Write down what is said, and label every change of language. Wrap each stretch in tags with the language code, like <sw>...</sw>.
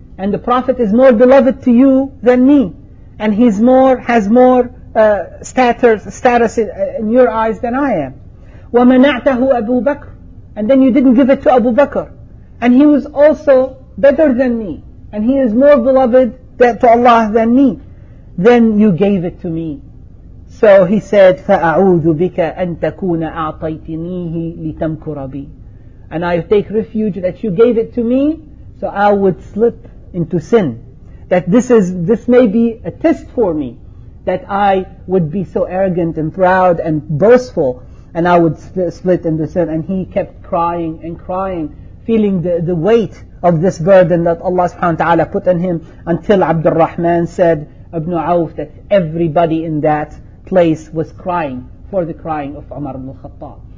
<en>And the Prophet is more beloved to you than me. And he's more, has more status in your eyes than I am.</en> <ar>وَمَنَعْتَهُ أَبُو بَكْرٍ.</ar> <en>And then you didn't give it to Abu Bakr. And he was also better than me. And he is more beloved to Allah than me. Then you gave it to me. So he said,</en> <ar>فَأَعُوذُ بِكَ أَن تَكُونَ أَعْطَيْتِنِيهِ لِتَمْكُرَ بِي.</ar> <en>And I take refuge that you gave it to me, so I would slip into sin. That this may be a test for me, that I would be so arrogant and proud and boastful, and I would slip into sin. And he kept crying and crying, feeling the weight of this burden that Allah subhanahu wa ta'ala put on him, until Abdul Rahman said, Ibn Auf, that everybody in that place was crying for the crying of Umar ibn al-Khattab.</en>